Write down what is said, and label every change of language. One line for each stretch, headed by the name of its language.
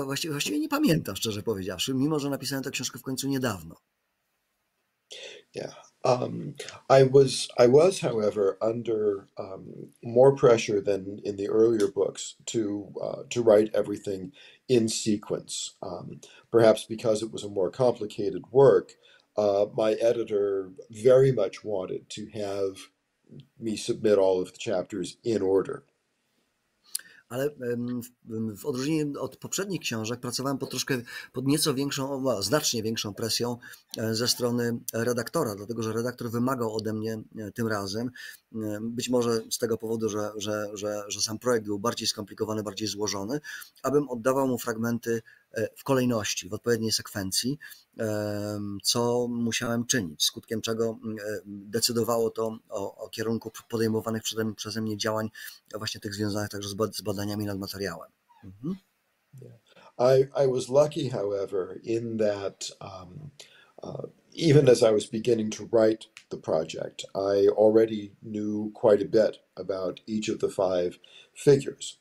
Polish: Właściwie nie pamiętam, szczerze powiedziawszy, mimo że napisałem tę książkę w końcu niedawno.
English: Yeah. I was, however, under more pressure than in the earlier books to write everything in sequence. Perhaps because it was a more complicated work, my editor very much wanted to have me submit all of the chapters in order.
Polish: Ale w odróżnieniu od poprzednich książek pracowałem pod nieco większą, znacznie większą presją ze strony redaktora, dlatego że redaktor wymagał ode mnie tym razem, być może z tego powodu, że sam projekt był bardziej skomplikowany, bardziej złożony, abym oddawał mu fragmenty w kolejności, w odpowiedniej sekwencji, co musiałem czynić, skutkiem czego decydowało to o kierunku podejmowanych przeze mnie działań, właśnie tych związanych także z badaniami nad materiałem.
English: I was lucky, however, in that even as I was beginning to write the project, I already knew quite a bit about each of the five figures.